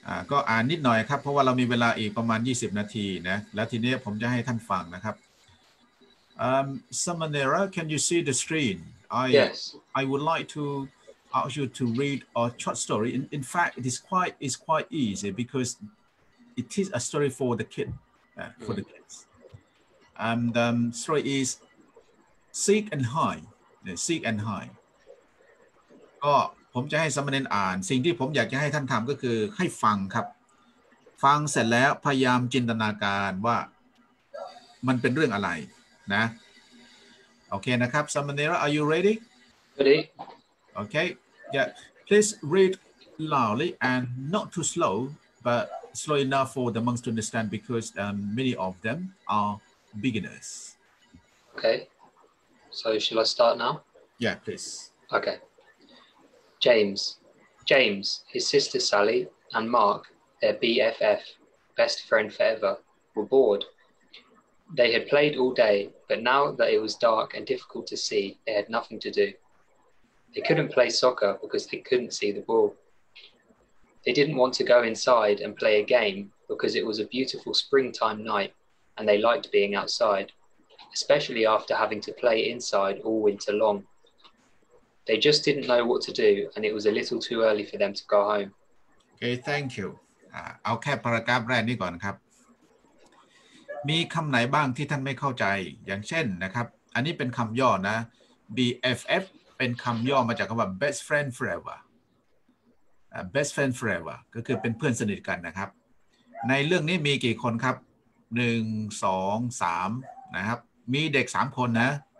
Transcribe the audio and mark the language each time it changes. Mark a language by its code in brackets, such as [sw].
[th] ก็อ่านนิดหน่อยครับเพราะว่าเรามีเวลาอีกประมาณ20นาทีนะแล้วทีนี้ผมจะให้ท่านฟังนะครับ [en] Samanera, can you see the screen? Yes. I would like to... ask you to read a short story. In fact, it's quite easy because it is a story for the kid, for the kids. And story is Seek and Hide. Seek and Hide. [th] ก็ผมจะให้สามเณรอ่านสิ่งที่ผมอยากจะให้ท่านทำก็คือให้ฟังครับฟังเสร็จแล้วพยายามจินตนาการว่ามันเป็นเรื่องอะไรนะโอเคนะครับสามเณร [en] are you ready? Ready. Okay, yeah, please read loudly and not too slow, but slow enough for the monks to understand because many of them are beginners. Okay, so shall I start now? Yeah, please. Okay. James, his sister Sally, and Mark, their BFF, best friend forever, were bored. They had played all day, but now that it was dark and difficult to see, they had nothing to do. They couldn't play soccer because they couldn't see the ball. They didn't want to go inside and play a game because it was a beautiful springtime night and they liked being outside, especially after having to play inside all winter long. They just didn't know what to do and it was a little too early for them to go home. Okay, thank you. [th] เอาแค่ paragraph แรกนี้ก่อนครับมีคำไหนบ้างที่ท่านไม่เข้าใจอย่างเช่นนะครับอันนี้เป็นคำย่อนะ BFFเป็นคำย่อมาจากคำว่า best friend forever best friend forever ก็คือเป็นเพื่อนสนิทกันนะครับในเรื่องนี้มีกี่คนครับ1 2 3นะครับมีเด็ก3คนนะ